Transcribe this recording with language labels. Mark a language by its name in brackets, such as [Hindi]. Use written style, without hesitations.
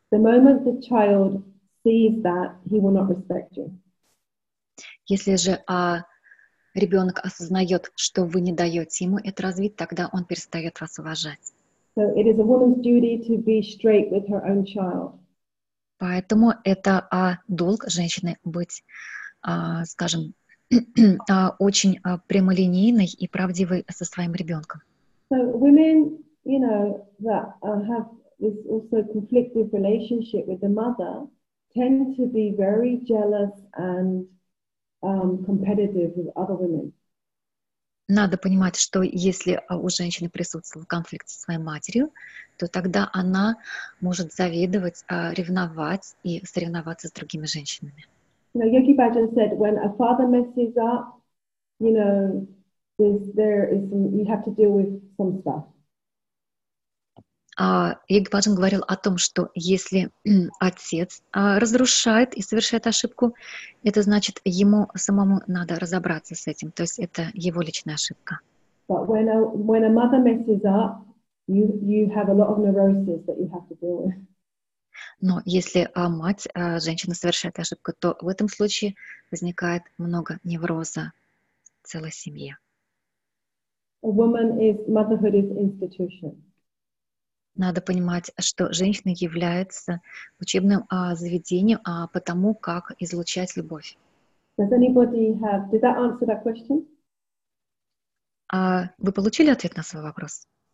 [English] The moment the child sees that, he will not respect you. [Russian] Если же ребенок осознает, что вы не даете ему это развить, тогда он перестает вас уважать. [English] So it is a woman's duty to be straight with her own child. [Russian] Поэтому это долг женщины быть, скажем, очень прямолинейной и правдивой со своим ребенком. [English] So women, you know, that have this also conflicted relationship with the mother tend to be very jealous and competitive with other women. [Russian] Надо понимать, что если у женщины присутствовал конфликт со своей матерью, то тогда она может завидовать, ревновать и соревноваться с другими женщинами. [English] You know, Yogi Bhajan said, when a father messes up, you know, there is some, you have to deal with some stuff. [Russian] Йоги Бхаджан говорил о том, что если отец разрушает и совершает ошибку, это значит, ему самому надо разобраться с этим, то есть это его личная ошибка. [English] But when a mother messes up, you have a lot of neurosis that you have to deal with. [Russian] Но если мать женщина совершает ошибку, то в этом случае возникает много невроза в целой семье. [English] A woman is motherhood is institution. [Russian] Надо понимать, что женщина является учебным заведением, а потому как излучать любовь. [English] Does anybody have, did that answer that question? [Russian] Вы получили ответ на свой вопрос?